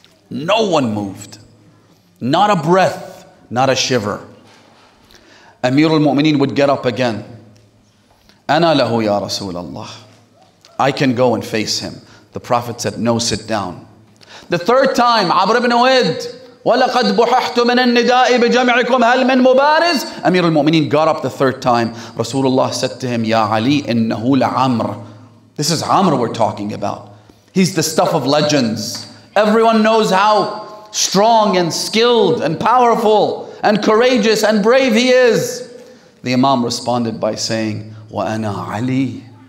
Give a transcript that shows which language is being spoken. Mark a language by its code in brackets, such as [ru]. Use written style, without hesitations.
[en] No one moved. Not a breath, not a shiver. Amir al-Mu'mineen would get up again. [ar] Ana lahu ya Rasulallah. [en] I can go and face him. The Prophet said, no, sit down. The third time, [ar] Amr ibn Wid, وَلَقَدْ بُحَحْتُ مِنَ النِّدَاءِ بِجَمْعِكُمْ هَلْ مِنْ مُبَارِزِ. [en] Amir al-Mu'mineen got up the third time. Rasulullah said to him, [ar] يَا عَلِي إِنَّهُ لَعَمْرِ. [en] This is Amr we're talking about. He's the stuff of legends. Everyone knows how strong and skilled and powerful and courageous and brave he is. The Imam responded by saying, [ar] وَأَنَا عَلِي.